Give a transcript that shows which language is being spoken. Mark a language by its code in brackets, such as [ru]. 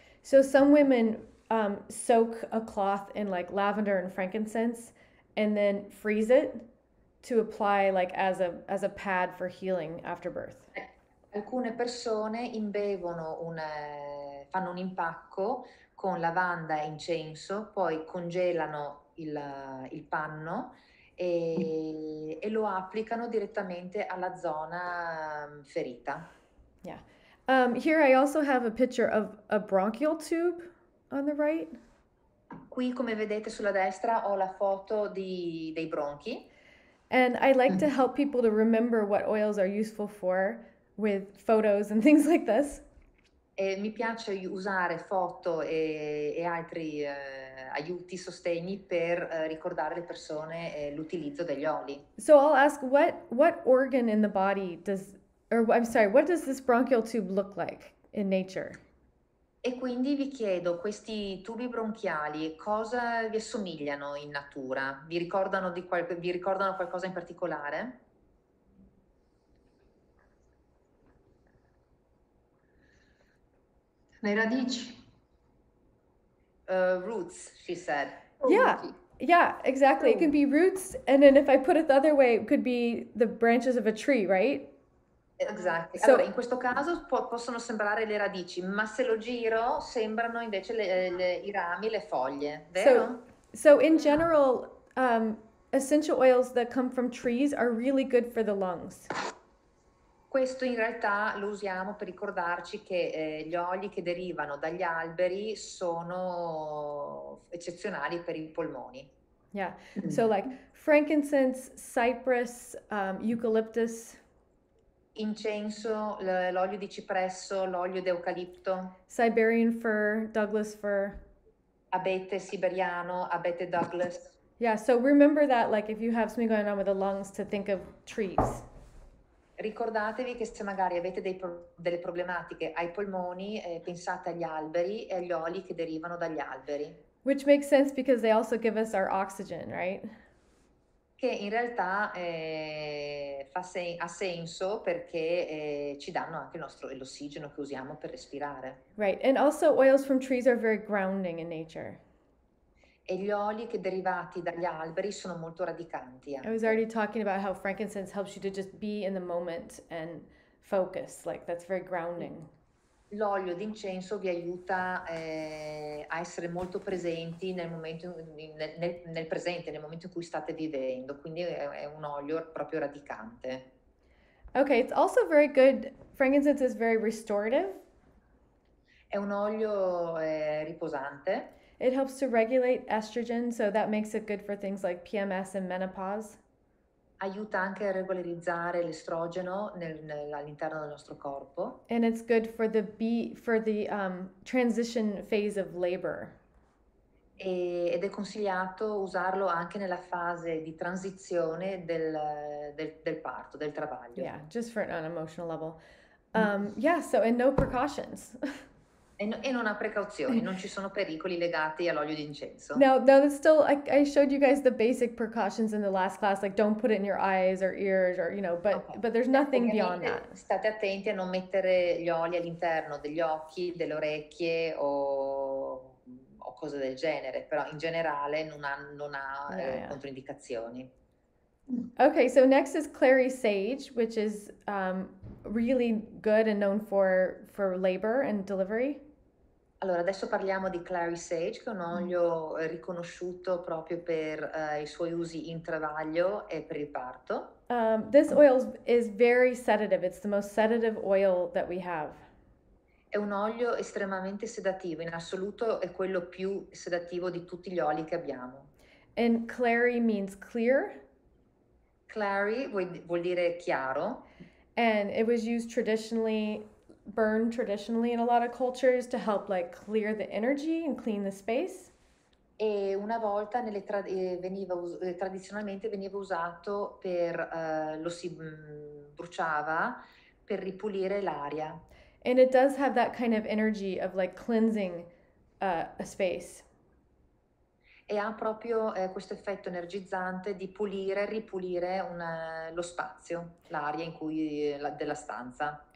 [en] So some women soak a cloth in like lavender and frankincense and then freeze it to apply like as a pad for healing after birth. [it] Alcune persone imbevono fanno un impacco con lavanda e incenso, poi congelano il panno e lo applicano direttamente alla zona ferita. [en] Yeah. Here I also have a picture of a bronchial tube on the right. [it] Qui, come vedete sulla destra, ho la foto dei bronchi. [en] And I like to help people to remember what oils are useful for with photos and things like this. [it] E mi piace usare foto e altri aiuti, sostegni per ricordare le persone l'utilizzo degli oli. [en] So I'll ask what organ in the body what does this bronchial tube look like in nature? [it] E quindi vi chiedo, questi tubi bronchiali cosa vi assomigliano in natura? Vi ricordano qualcosa in particolare? Le radici. [en] Roots, she said. Yeah, yeah, exactly. Oh. It can be roots, and then if I put it the other way, it could be the branches of a tree, right? Exactly. [it] So, allora, in questo caso possono sembrare le radici, ma se lo giro sembrano invece i rami, le foglie, vero? [en] So in general, essential oils that come from trees are really good for the lungs. [it] Questo in realtà lo usiamo per ricordarci che gli oli che derivano dagli alberi sono eccezionali per i polmoni. [en] Yeah, so like frankincense, cypress, eucalyptus. [it] Incenso, l'olio di cipresso, l'olio d'eucalipto. [en] Siberian fir, Douglas fir. [it] Abete siberiano, abete Douglas. [en] Yeah, so remember that, like if you have something going on with the lungs, to think of trees. [it] Ricordatevi che se magari avete delle problematiche ai polmoni, pensate agli alberi e agli oli che derivano dagli alberi. [en] Which makes sense because they also give us our oxygen, right? [it] Che in realtà ha senso perché ci danno anche l'ossigeno che usiamo per respirare. [en] Right, and also oils from trees are very grounding in nature. [it] E gli oli che derivati dagli alberi sono molto radicanti [en] I was already [it] anche. [en] talking about how frankincense helps you to just be in the moment and focus, like that's very grounding. [it] L'olio d'incenso vi aiuta a essere molto presenti nel momento, nel presente, nel momento in cui state vivendo. Quindi è un olio proprio radicante. [en] Okay, it's also very good. Frankincense is very restorative. [it] È un olio riposante. [en] It helps to regulate estrogen, so that makes it good for things like PMS and menopause. [it] Aiuta anche a regolarizzare l'estrogeno all'interno del nostro corpo. [en] And it's good for the transition phase of labor. [it] Ed è consigliato usarlo anche nella fase di transizione del parto, del [en] Yeah, [it] travaglio. [en] just for an emotional level. Yeah, so and no precautions. [it] E non ha precauzioni, non ci sono pericoli legati all'olio d'incenso. [en] No, that's still, I showed you guys the basic precautions in the last class, like don't put it in your eyes or ears or, you know, [it] Ok, [en] but there's nothing beyond [it] ovviamente [en] that. [it] state attenti a non mettere gli oli all'interno degli occhi, delle orecchie o cose del genere, però in generale non ha [en] Yeah. [it] controindicazioni. [en] Okay, so next is clary sage, which is really good and known for labor and delivery. [it] Allora, adesso parliamo di Clary Sage, che è un olio riconosciuto proprio per i suoi usi in travaglio e per il parto. [en] This oil is very sedative. It's the most sedative oil that we have. [it] È un olio estremamente sedativo, in assoluto è quello più sedativo di tutti gli oli che abbiamo. [en] And clary means clear. [it] Clary vuol dire chiaro. [en] And it was used traditionally, burned traditionally in a lot of cultures to help like clear the energy and clean the space. [it] E una volta tradizionalmente veniva usato lo si bruciava per ripulire l'aria. [en] And it does have that kind of energy of like cleansing a space. [it] E ha proprio questo effetto energizzante di pulire, ripulire lo spazio, l'aria in cui della stanza.